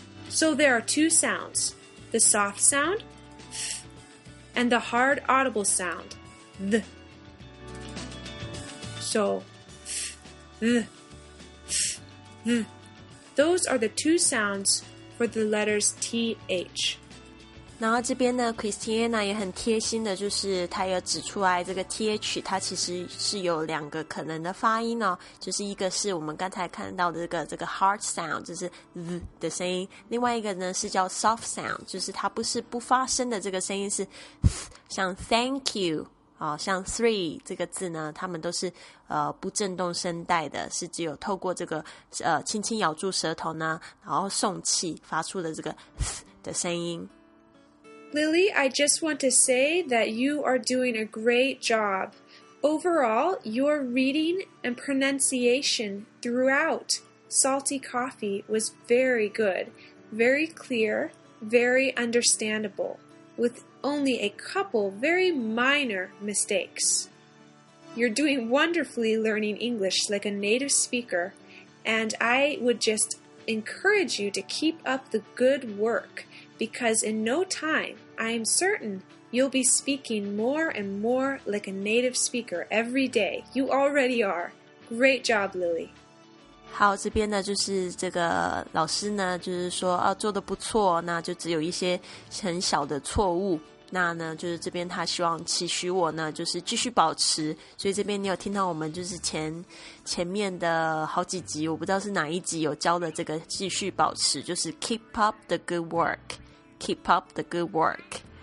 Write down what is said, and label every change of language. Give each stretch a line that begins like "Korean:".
English: So there are two sounds, the soft sound, th, and the hard audible sound, th. So, th. Those are the two soundsfor the letters TH.
Chinese: 然后这边呢 Christiana 也很贴心的，就是她有指出来这个 TH 它其实是有两个可能的发音哦，就是一个是我们刚才看到的这个 hard sound， 就是 Z 的声音，另外一个呢是叫 soft sound， 就是它不是不发声的这个声音，是 th, 像 thank you，像 three 这个字呢，他们都是不震动声带的，是只有透过这个轻轻咬住舌头呢，然后送气发出的这个 th 的声音。
English: Lily, I just want to say that you are doing a great job. Overall, your reading and pronunciation throughout Salty Coffee was very good, very clear, very understandable, with only a couple very minor mistakes. You're doing wonderfully learning English like a native speaker, and I would just encourage you to keep up the good work, because in no time, I am certain you'll be speaking more and more like a native speaker every day. You already are. Great job, Lily.
Chinese: 好，这边呢就是这个老师呢就是说做得不错，那就只有一些很小的错误，那呢就是这边他希望期许我呢就是继续保持，所以这边你有听到我们就是前面的好几集，我不知道是哪一集有教的这个继续保持，就是 keep up the good work, keep up the good work。